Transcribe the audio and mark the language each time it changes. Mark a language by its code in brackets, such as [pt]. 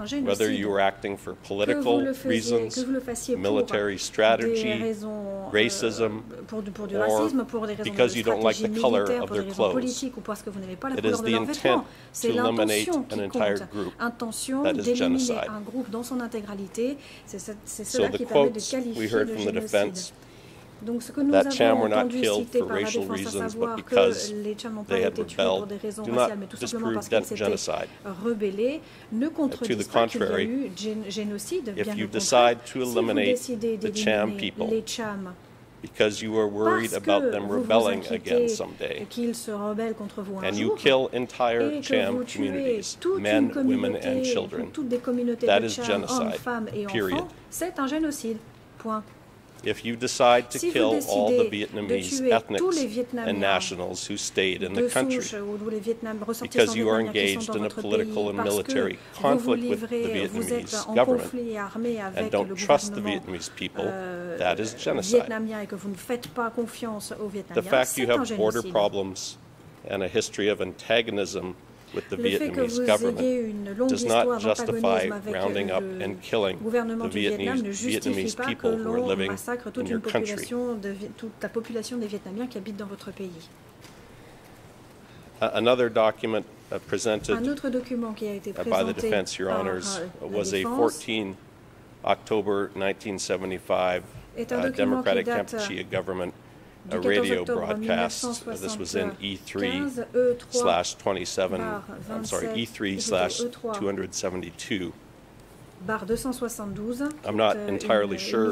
[en] Whether you are acting for political reasons, military strategy, racism, or because you don't like the color of their clothes, it is the intent to eliminate an entire group. That is genocide. [fr] Un groupe dans son intégralité, c'est cela qui permet de qualifier le génocide. Defense, donc ce que nous avons entendu citer par la défense, à savoir que les Cham n'ont pas été tués pour des raisons raciales, mais tout simplement parce qu'ils s'étaient rebellés, ne contredisent pas contrary, qu'il y a eu génocide, bien au contraire. Si vous décidez d'éliminer Cham people, les Cham, [en] because you are worried about them rebelling again someday, and you kill entire Cham communities, men, women, and children. That is genocide, period. [fr] C'est un génocide. Point. [en] If you decide to kill all the Vietnamese ethnics and nationals who stayed in the country because you are engaged in a political and military conflict with the Vietnamese government and don't trust the Vietnamese people, that is genocide. The fact you have border problems and a history of antagonism with the Vietnamese government does not justify rounding up and killing the Vietnamese people who are living in your country. [fr] Toute la population des Vietnamiens qui habitent dans votre pays. [en] Another document presented by the defense, Your Honors, was a 14 October 1975 Democratic Kampuchea government a radio broadcast. This was in E3/272. I'm not entirely sure